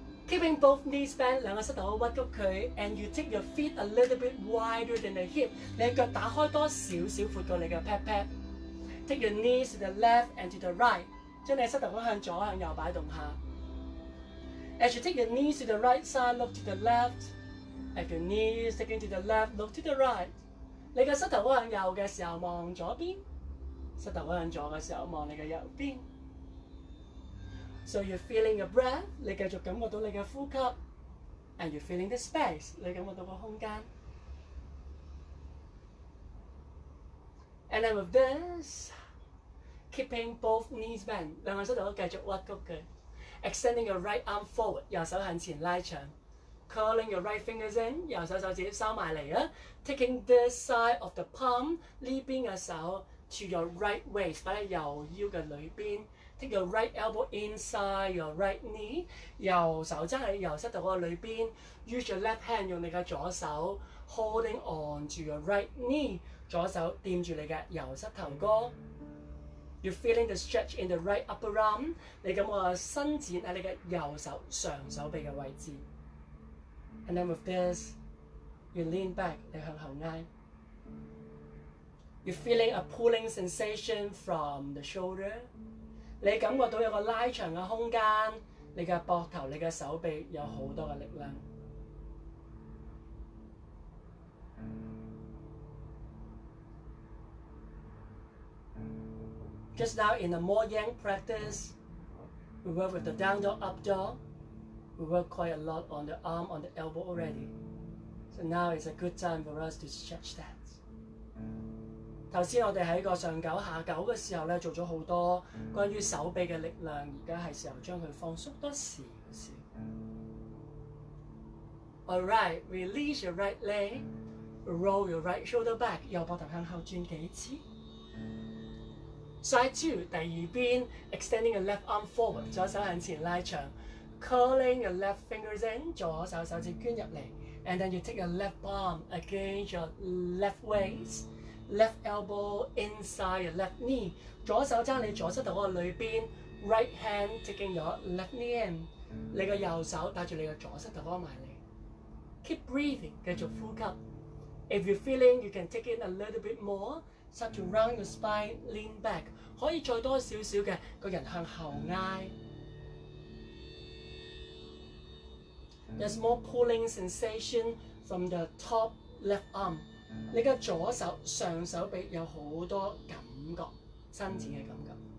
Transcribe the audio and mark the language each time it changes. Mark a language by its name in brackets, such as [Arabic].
[English] Keeping both knees bent, [Cantonese] 兩個膝頭屈谷佢。 [English] And you take your feet a little bit wider than the hip, [Cantonese] 你的腳打開多少少闊過你的屁股。 [English] Take your knees to the left and to the right, [Cantonese] 將你的膝頭骨向左向右擺動下。 [English] As you take your knees to the right side, look to the left. As your knees taking to the left, look to the right. [Cantonese] 你的膝頭骨向右的時候望左邊，膝頭骨向左的時候望你的右邊。 [English] So you're feeling your breath, [Cantonese] 你繼續感覺到你的呼吸。 [English] And you're feeling the space, [Cantonese] 你感覺到個空間。 [English] And then with this,Keeping both knees bent, [Cantonese] 兩個膝頭繼續屈曲嘅。 [English] Extending your right arm forward, [Cantonese] 右手向前拉長。 [English] Curling your right fingers in, [Cantonese] 右手手指收埋嚟啊。 [English] Taking this side of the palm, [Cantonese] 呢邊嘅手 [English] to your right waist, [Cantonese] 擺喺右腰嘅裏邊。 [English] Take your right elbow inside your right knee, [Cantonese] 右手揸喺右膝頭嘅裏邊。 [English] Use your left hand, [Cantonese] 用你嘅左手 [English] holding on to your right knee, [Cantonese] 左手掂住你嘅右膝頭哥。 [English] You're feeling the stretch in the right upper arm. [Cantonese] 你感覺伸展喺你嘅右手上手臂嘅位置。 [English] And then with this, you lean back. [Cantonese] 你向後挨。 [English] You're feeling a pulling sensation from the shoulder. [Cantonese] 你感覺到有個拉長嘅空間。你嘅膊頭、你嘅手臂有好多嘅力量。 [English] Just now in a more yang practice, we work with the down dog, up dog. We work quite a lot on the arm, on the elbow already. So now it's a good time for us to stretch that. [Cantonese] 剛才我們在上九下九的時候呢做了很多關於手臂的力量，現在是時候將它放鬆多一點。 [English] Alright, release your right leg. Roll your right shoulder back. [Cantonese] 右膊頭向後轉幾次。 [English] Side 2, 第二邊 extending your left arm forward, [Cantonese] 左手向前拉長 [English] curling your left fingers in, [Cantonese] 左手手指捐入嚟 [English] and then you take your left palm against your left waist, left elbow inside your left knee, [Cantonese] 左手揸你左膝頭嗰個裏邊 [English] right hand taking your left knee in, [Cantonese] 你個右手帶住你個左膝頭嗰埋嚟 [English] keep breathing, [Cantonese] 繼續呼吸 [English] if you're feeling you can take in a little bit more,Start to round your spine, lean back. [Cantonese] 可以再多少少嘅個人向後挨。 [English] There's more pulling sensation from the top left arm. [Cantonese] 你嘅左手上手臂有好多感覺，伸展嘅感覺。